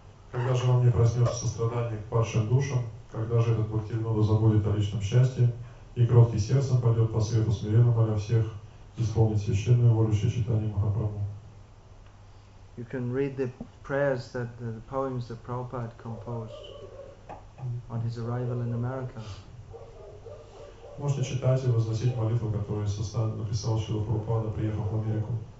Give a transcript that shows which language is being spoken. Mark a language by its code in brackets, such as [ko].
[ru] Когда же он не проснется со страдания к падшим душам, когда же этот Бхактивинода забудет о личном счастье и кроткий сердцем пойдет по свету смиренно моля всех исполнить священную волю Шри Чайтаньи Махапрабху. [en] You can read the prayers that the poems that Prabhupada composed on his arrival in America. [ru] Можете читать и возносить молитву, которую написал Шрила Прабхупада, приехав в Америку.